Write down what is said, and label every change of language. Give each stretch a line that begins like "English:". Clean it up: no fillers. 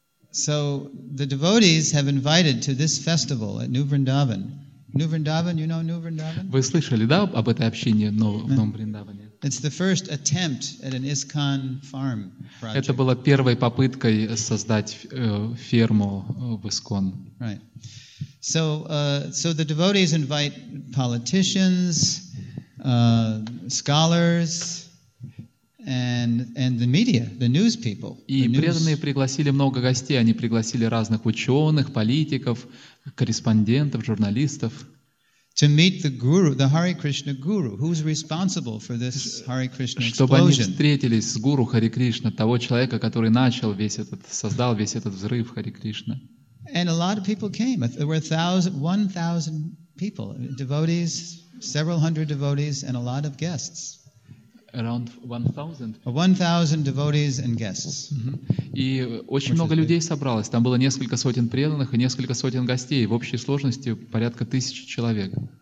English: So the devotees have invited to this festival at New Vrindavan. New Vrindavan, you know New Vrindavan?
Russian: Вы слышали, да, об этой общине в Новом Вриндаване?
English: It's the first attempt at an ISKCON farm project.
Russian: Это была первой попыткой создать ферму в ISKCON.
English: Right. So the devotees invite politicians, scholars, and the media, the news people.
Russian: И преданные пригласили много гостей. Они пригласили разных ученых, политиков, корреспондентов, журналистов.
English: To meet the guru, the Hare Krishna guru, who's responsible for this Hare Krishna explosion.
Russian: Чтобы они встретились с гуру Хари Кришна, того человека, который начал весь этот, создал весь этот взрыв Хари Кришна.
English: And a lot of people came. There were 1,000 people, devotees, several hundred devotees, and a lot of guests. Around 1,000. 1,000 devotees and guests.
Russian: И очень много людей собралось. Там было несколько сотен преданных и несколько сотен гостей. В общей сложности порядка 1,000 человек.